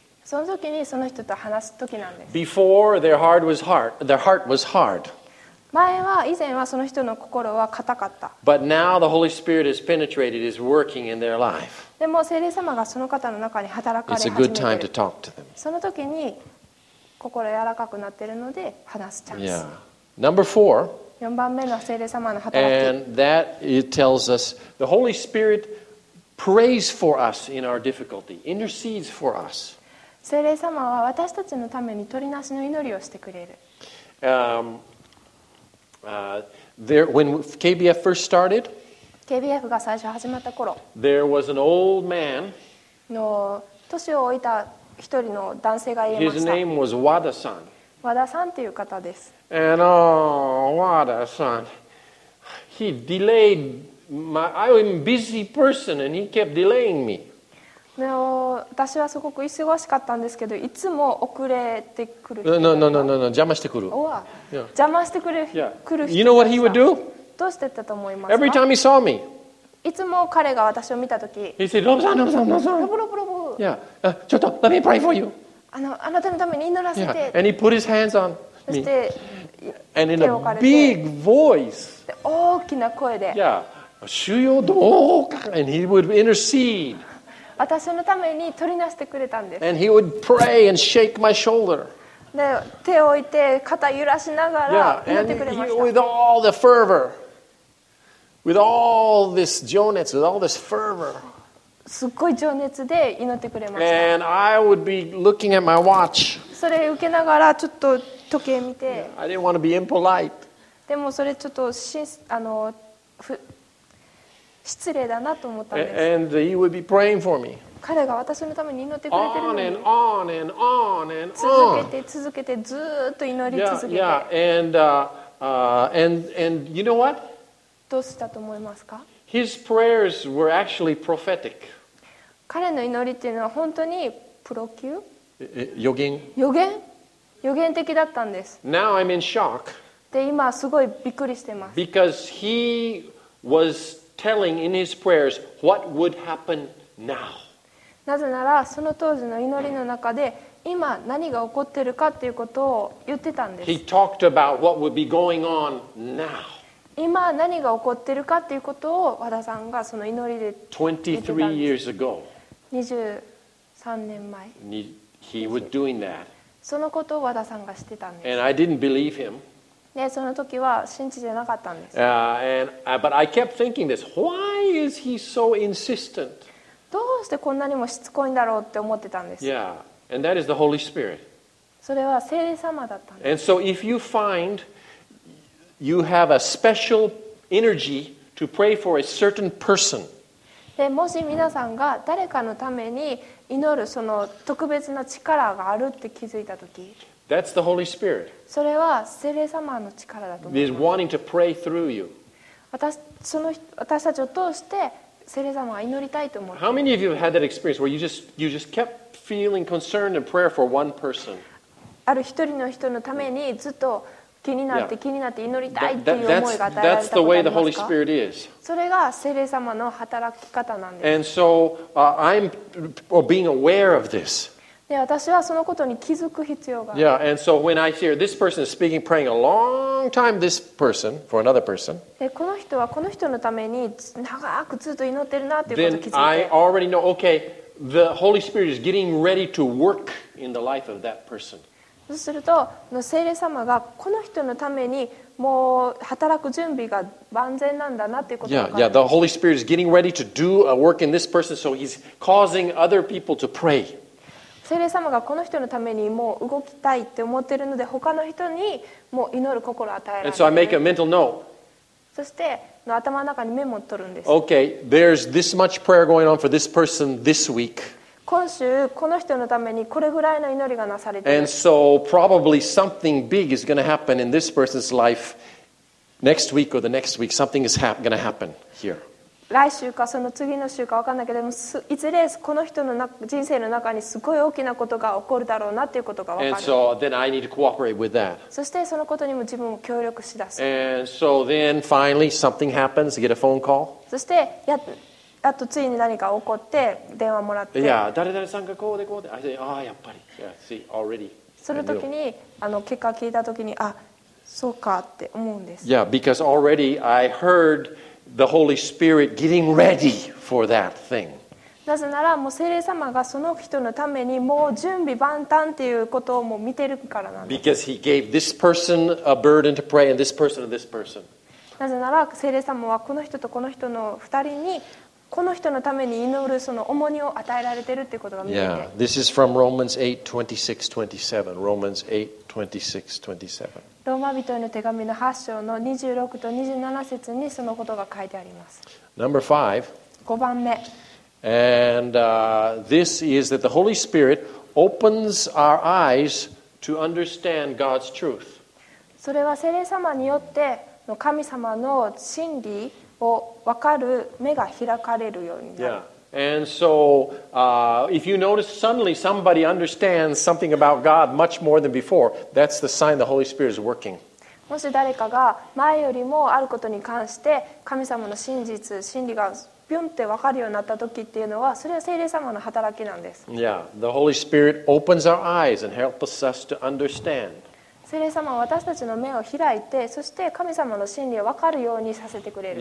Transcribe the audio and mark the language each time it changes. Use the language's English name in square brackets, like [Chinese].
[Japanese] その時にその人と話す時なんです。 [English] Before their heart was hard. [Japanese] 前は以前はその人の心は硬かった。 [English] But now the Holy Spirit has penetrated, is working in their life. [Japanese] でも聖霊様がその方の中に働かれ始めている。 [English] It's a good time to talk to them. [Japanese] その時に心柔らかくなっているので話すチャンス。 [English] Yeah. Number four. [Japanese] 四番目の聖霊様の働き。 [English] And that it tells us the Holy Spirit. Prays for us in our difficulty, intercedes for us. [Japanese] 聖霊様は私たちのために取りなしの祈りをしてくれる。 [English] When KBF first started, [Japanese] KBF が最初始まった頃、 [English] there was an old man. [Japanese] の年を置いた一人の男性が言いました。 [English] His name was Wada-san. [Japanese] Wada-san という方です。 [English] And oh, Wada-san, he delayed. I'm a busy person, and he kept delaying me. [Japanese] 私はすごく忙しかったんですけど、いつも遅れてくる人。 [English] No, [Japanese] 邪魔してくる。邪魔してくる人。 [English] You know what he would do? [Japanese] どうしてたと思います [English] か? Every time he saw me. [Japanese] いつも彼が私を見たとき。 [English] He said, Lobo-san. Lobo-lobo. Yeah. [Japanese] ちょっと、 [English] let me pray for you. [Japanese] あなたのために祈らせて。 [English] Yeah. And he put his hands on me. [Japanese] そして、 [English] And in a big voice. [Japanese] 大きな声で。 [English] Yeah. [Japanese] 主よどうか。 [English] And he would intercede. [Japanese] 私のために取りなしてくれたんです。 [English] And he would pray and shake my shoulder. [Japanese] で、手を置いて肩揺らしながら祈ってくれました。 [English] Yeah, and with all the fervor, with all this 情熱, with all this fervor. [Japanese] すっごい情熱で祈ってくれました。 [English] And I would be looking at my watch. [Japanese] それ受けながらちょっと時計見て。 [English] I didn't want to be impolite. [Japanese] でもそれちょっとしん、あの、ふ失礼だなと思ったんです。 [English] And he would be praying for me. [Japanese] 彼が私のために祈ってくれてるのに。 [English] On and on and on and on. [Japanese] 続けて続けてずっと祈り続けて。 [English] Yeah, yeah. And, and you know what? [Japanese] どうしたと思いますか? [English] His prayers were actually prophetic. [Japanese] 彼の祈りっていうのは本当にプロ級? 予言? 予言?予言的だったんです。 [English] Now I'm in shock. [Japanese] で、今すごいびっくりしてます。 [English] Because he was telling in his prayers what would happen now. [Japanese] なぜならその当時の祈りの中で今何が起こってるかっていうことを言ってたんです。 [English] He talked about what would be going on now. [Japanese] 今何が起こってるかっていうことを和田さんがその祈りで言ってたんです。 [English] 23 years ago. [Japanese] 23年前。 [English] He was doing that. [Japanese] そのことを和田さんがしてたんです。 [English] And I didn't believe him. [Japanese] ね、その時は信じてなかったんです。 [English] But I kept thinking this. Why is he so insistent? [Japanese] どうしてこんなにもしつこいんだろうって思ってたんです。 [English] Yeah, and that is the Holy Spirit. [Japanese] それは聖霊様だったんです。 [English] And so if you find you have a special energy to pray for a certain person, [Japanese] でもし皆さんが誰かのために祈るその特別な力があるって気づいた時。 [English] That's the Holy Spirit. [Japanese] それは聖霊様の力だと思います。 [English] He's wanting to pray through you. [Japanese] 私たちを通して聖霊様は祈りたいと思って。 [English] How many of you have had that experience where you just kept feeling concerned and prayer for one person? [Japanese] ある一人の人のためにずっと気になって気になって祈りたいっていう思いが与えられたことあり [English] That's the way the Holy Spirit is. [Japanese] それが聖霊様の働き方なんです。 [English] And so, I'm being aware of this. [Japanese] で私はそのことに気づく必要がある。 [English] Yeah, and so when I hear this person speaking, praying a long time, this person for another person. [Japanese] でこの人はこの人のために長くずっと祈ってるなっていうことを気づいて。 [English] Then I already know. Okay, the Holy Spirit is getting ready to work in the life of that person. [Japanese] そうすると、聖霊様がこの人のためにもう働く準備が万全なんだなっていうことが。 [English] Yeah, the Holy Spirit is getting ready to do a work in this person, so He's causing other people to pray. [Japanese] 聖霊様がこの人のためにもう動きたいって思ってるので他の人にもう祈る心を与えられる。 [English] And so I make a mental note. [Japanese] そして頭の中にメモを取るんです。 [English] Okay, there's this much prayer going on for this person this week. [Japanese] 今週この人のためにこれぐらいの祈りがなされている。 [English] And so probably something big is going to happen in this person's life next week or the next week. Something is going to happen here. [Japanese] 来週かその次の週か分かんないけどもいずれこの人の人生の中にすごい大きなことが起こるだろうなっていうことが分かる。 [English] And so then I need to cooperate with that. [Japanese] そしてそのことにも自分も協力しだす。 [English] And so then finally something happens, get a phone call. [Japanese] そしてやっとついに何か起こって電話もらって。 Yeah, 誰々さんがこうでこうで。 [English] I say, ah, [Japanese] やっぱり。 [English] Yeah, see, already. [Japanese] その時に結果聞いた時にあ、そうかって思うんです。 [English] Yeah, because already I heardThe Holy Spirit getting ready for that thing. [Japanese] なぜならもう聖霊様がその人のためにもう準備万端っていうことをもう見てるからなんです。 [English] Because he gave this person a burden to pray, and this person and this person. [Japanese] なぜなら聖霊様はこの人とこの人の二人にこの人のために祈るその重荷を与えられてるっていうことが見えて。 [English] Yeah, this is from Romans 8:26-27. Romans 8:26-27. [Japanese] ローマ人への手紙の8章の26と27節にそのことが書いてあります。 [English] Number five. [Japanese] 5番目。 [English] And this is that the Holy Spirit opens our eyes to understand God's truth. [Japanese] それは聖霊様によっての神様の真理を分かる目が開かれるようになる。 [English] Yeah. And so, if you notice suddenly somebody understands something about God much more than before, that's the sign the Holy Spirit is working. [Japanese] もし誰かが前よりもあることに関して神様の真実、真理がピュンって分かるようになった時っていうのは、それは聖霊様の働きなんです。 [English] Yeah, the Holy Spirit opens our eyes and helps us to understand. [Japanese] 聖霊様は私たちの目を開いて、そして神様の真理を分かるようにさせてくれる。